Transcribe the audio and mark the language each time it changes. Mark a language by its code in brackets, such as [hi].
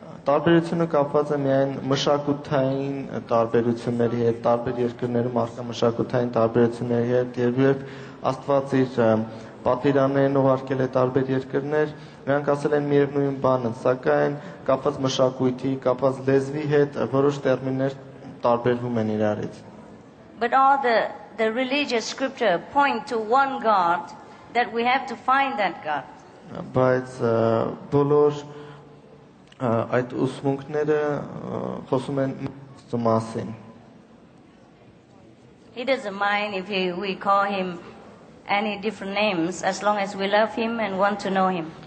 [hy] Տարբերությունը կապված է միայն մշակութային տարբերությունների հետ, տարբեր երկրներում արտամշակութային տարբերությունների հետ, երբ Աստված իր պատվիրաններն ուղարկել է տարբեր երկրներ, նրանք ասել են միևնույն բանը, սակայն կապված մշակույթի, կապված լեզվի հետ որոշ տերմիններ տարբերվում են իրարից։ [en] But all the religious scripture point to one God, that we have to find that God. [hy] Բայց բոլոր այդ ուսմունքները խոսում են Աստծո մասին։ [en] He doesn't mind if we call him any different names as long as we love him and want to know him.